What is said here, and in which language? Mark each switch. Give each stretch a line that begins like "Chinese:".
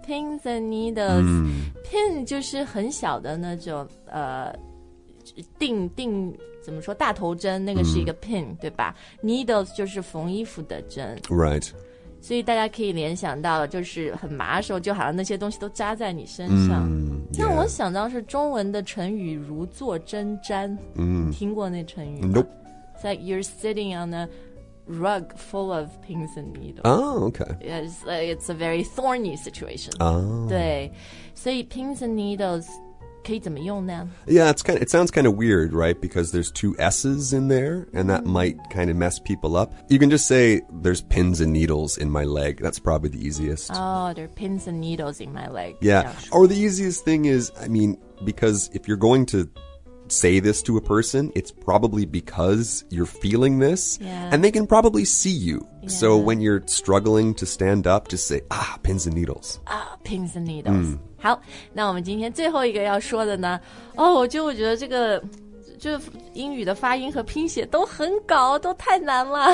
Chinese: ins and needles、pin 就是很小的那种定怎么说大头针那个是一个 pin、对吧 needles 就是缝衣服的针
English: right
Chinese: 所以大家可以联想到就是很麻的时候就好像那些东西都扎在你身上、
English: yeah.
Chinese: 那我想到是中文的成语如坐针毡、听过那成语吗
English: nope it's like you're sitting on aRug full of pins and needles. Oh, okay. It's a very thorny situation. Oh.
Chinese: 对，所以 pins and needles 可以怎么用呢
English: Yeah, it sounds kind of weird, right? Because there's two S's in there, and that might kind of mess people up. You can just say, there's pins and needles in my leg. That's probably the easiest. Oh, there are pins and needles in my leg. Yeah. Or the easiest thing is, I mean, because if you're going to say this to a person, it's probably because you're feeling this. Yeah. And they can probably see you. Yeah. So when you're struggling to stand up, just say, ah, pins and needles. Ah, pins and needles.、Mm.
Chinese: 好，那我们今天最后一个要说的呢，哦，就我觉得这个就英语的发音和拼写都很搞，都太难了、